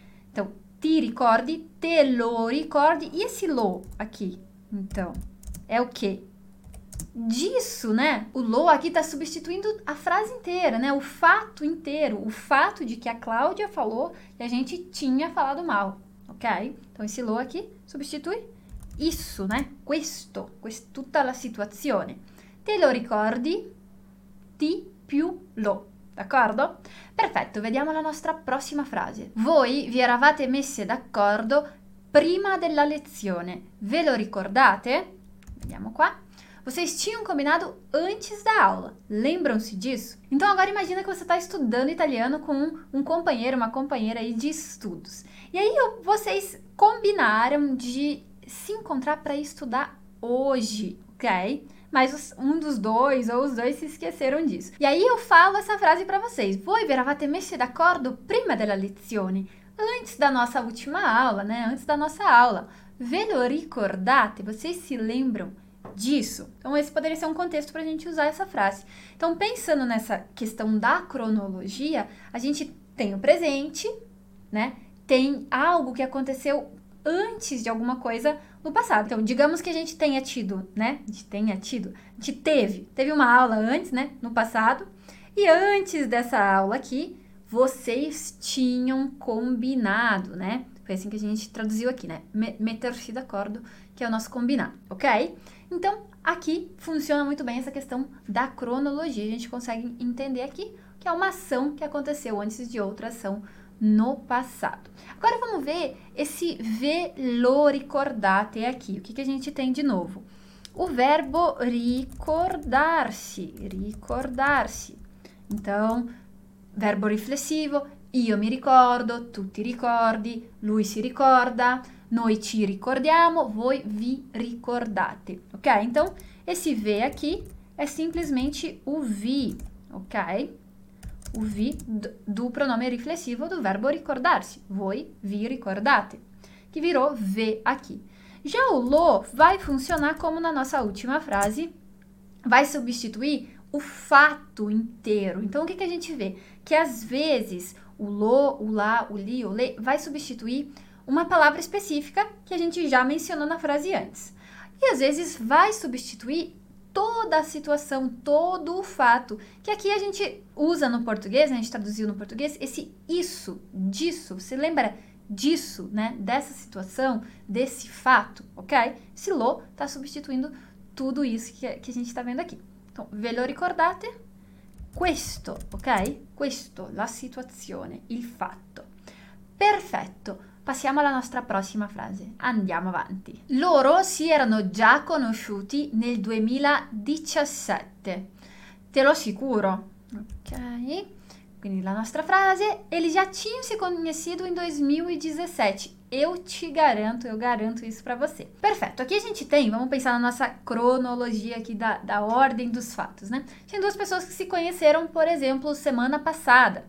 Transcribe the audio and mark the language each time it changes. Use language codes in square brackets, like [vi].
[pt] Então, [it] ti ricordi, te lo ricordi. [pt] E esse lo aqui? Então, é o quê? Disso, né? O lo aqui está substituindo a frase inteira, né? O fato inteiro, o fato de que a Cláudia falou que a gente tinha falado mal, ok? Então esse lo aqui substitui isso, né? [it] Questo, tutta la situazione. Te lo ricordi? Ti più lo, d'accordo? Perfetto, vediamo la nostra prossima frase. Voi vi eravate messe d'accordo prima della lezione, ve lo ricordate? Vediamo qua. [pt] Vocês tinham combinado antes da aula, lembram-se disso? Então, agora imagina que você está estudando italiano com um companheiro, uma companheira aí de estudos. E aí, vocês combinaram de se encontrar para estudar hoje, ok? Mas um dos dois ou os dois se esqueceram disso. E aí, eu falo essa frase para vocês. [it] Voi vi eravate messi d'accordo prima della lezione, [pt] antes da nossa última aula, né? Antes da nossa aula. [it] Ve lo ricordate? [pt] Vocês se lembram disso? Então, esse poderia ser um contexto para a gente usar essa frase. Então, pensando nessa questão da cronologia, a gente tem o presente, né? Tem algo que aconteceu antes de alguma coisa no passado. Então, digamos que a gente tenha tido, né? A gente teve uma aula antes, né? No passado. E antes dessa aula aqui, vocês tinham combinado, né? Foi assim que a gente traduziu aqui, né? Meter-se d'accordo, que é o nosso combinar, ok? Então, aqui funciona muito bem essa questão da cronologia. A gente consegue entender aqui que é uma ação que aconteceu antes de outra ação no passado. Agora, vamos ver esse [it] ve lo ricordate [pt] aqui. O que que a gente tem de novo? [it] verbo ricordarsi, ricordarsi. [pt] Então, verbo riflessivo, [it] io mi ricordo, tu ti ricordi, lui si ricorda, noi ci ricordiamo, voi vi ricordate. Ok? [pt] Então, esse V aqui é simplesmente o vi, ok? O vi do pronome riflessivo do verbo ricordarsi, voi vi ricordate, que virou V aqui. Já o lo vai funcionar como na nossa última frase, vai substituir o fato inteiro. Então, o que que a gente vê? Que às vezes o lo, o la, o li, o le vai substituir uma palavra específica que a gente já mencionou na frase antes. E às vezes vai substituir toda a situação, todo o fato. Que aqui a gente usa no português, a gente traduziu no português, esse isso, disso. Você lembra disso, né? Dessa situação, desse fato, ok? Esse lo está substituindo tudo isso que a gente está vendo aqui. Então, [it] ve lo ricordate? Questo, ok? Questo, la situazione, il fatto. Perfetto, passiamo alla nostra prossima frase. Andiamo avanti. Loro si erano già conosciuti nel 2017. Te lo assicuro. Ok? Quindi la nostra frase, [pt] eles já tinham se conhecido em 2017. Eu te garanto, eu garanto isso para você. Perfeito. Aqui a gente tem, vamos pensar na nossa cronologia aqui da ordem dos fatos, né? Tem duas pessoas que se conheceram, por exemplo, semana passada.